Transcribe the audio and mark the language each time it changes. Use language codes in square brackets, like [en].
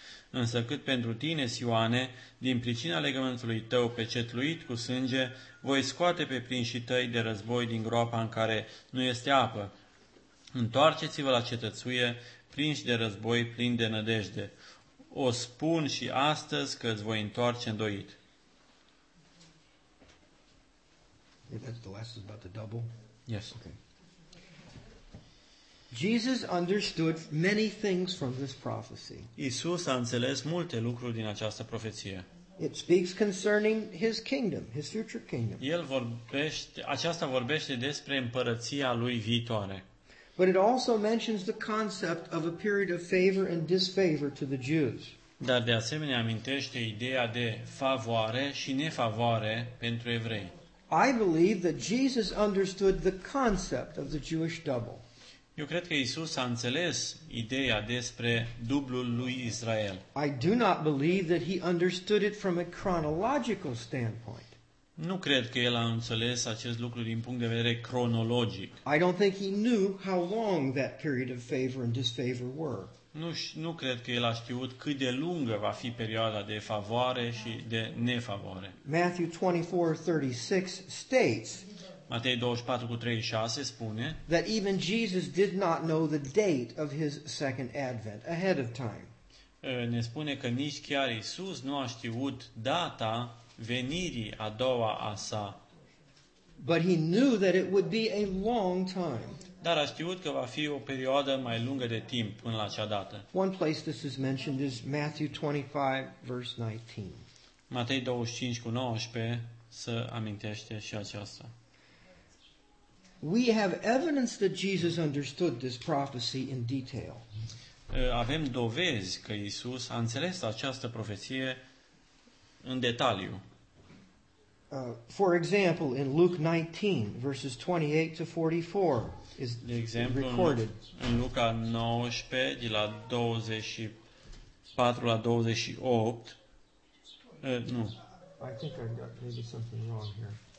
[ro] Însă cât pentru tine, Sioane, din pricina legământului tău pecetluit cu sânge, voi scoate pe prinșii tăi de război din groapa în care nu este apă. Întoarceți-vă la cetățuie, prinși de război, plini de nădejde. O spun și astăzi că îți voi întoarce îndoit. [en] That's the last is about the double. Yes. Okay. Jesus understood many things from this prophecy. [ro] Iisus a înțeles multe lucruri din această profeție. [en] It speaks concerning his kingdom, his future kingdom. [ro] El vorbește, aceasta vorbește despre împărăția lui viitoare. [en] But it also mentions the concept of a period of favor and disfavor to the Jews. [ro] Dar de asemenea amintește ideea de favoare și nefavoare pentru evrei. [en] I believe that Jesus understood the concept of the Jewish double. [ro] Eu cred că Iisus a înțeles ideea despre dublul lui Israel. [en] I do not believe that he understood it from a chronological standpoint. [ro] Nu cred că el a înțeles acest lucru din punct de vedere cronologic. [en] I don't think he knew how long that period of favor and disfavor were. [ro] Nu cred că el a știut cât de lungă va fi perioada de favoare și de nefavoare. [en] Matthew 24:36 states. [ro] Matei 24:36 spune. [en] That even Jesus did not know the date of his second advent ahead of time. [ro] Ne spune că nici chiar Iisus nu a știut data venirii a doua a sa. [en] But he knew that it would be a long time. [ro] Dar a știut că va fi o perioadă mai lungă de timp până la acea dată. [en] One place this is mentioned is Matthew 25 verse 19. [ro] Matei 25:19 se amintește și aceasta. [en] We have evidence that Jesus understood this prophecy in detail. [ro] avem dovezi că Iisus a înțeles această profeție în detaliu. [en] For example, in Luke 19, verses 28 to 44 is recorded. [ro] În Luca 19, de la 24 la 28. Nu. [en] I think I got maybe something wrong here.